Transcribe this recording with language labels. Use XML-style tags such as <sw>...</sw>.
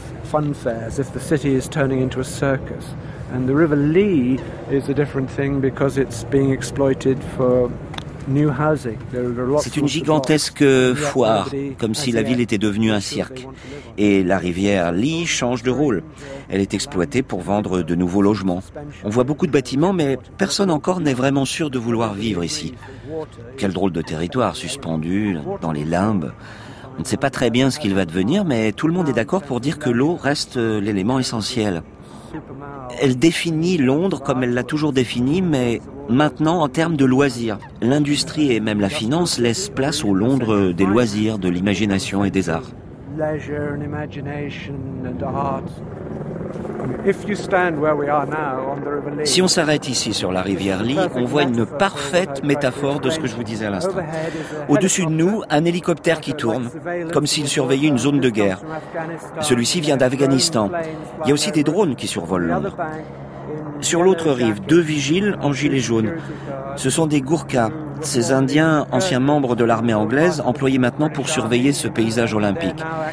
<en>Fun fair, as if the city is turning into a circus, and the River Lee is a different thing because it's being exploited for new housing.</en> <fr>C'est une gigantesque foire, comme si la ville était devenue un cirque. Et la rivière Lee change de rôle. Elle est exploitée pour vendre de nouveaux logements. On voit beaucoup de bâtiments, mais personne encore n'est vraiment sûr de vouloir vivre ici. Quel drôle de territoire, suspendu dans les limbes. On ne sait pas très bien ce qu'il va devenir, mais tout le monde est d'accord pour dire que l'eau reste l'élément essentiel. Elle définit Londres comme elle l'a toujours définie, mais maintenant en termes de loisirs. L'industrie et même la finance laissent place au Londres des loisirs, de l'imagination et des arts.</fr> <en>Leisure and imagination and art. If you stand where we are now on the River Lee.</en> <fr>Si on s'arrête ici sur la rivière Lee, on voit une parfaite métaphore de ce que je vous disais à l'instant. Au-dessus de nous, un hélicoptère qui tourne, comme s'il surveillait une zone de guerre. Celui-ci vient d'Afghanistan. Il y a aussi des drones qui survolent Londres. Sur l'autre rive, deux vigiles en gilet jaune. Ce sont des Gurkhas, ces Indiens anciens membres de l'armée anglaise, employés maintenant pour surveiller ce paysage olympique.</fr>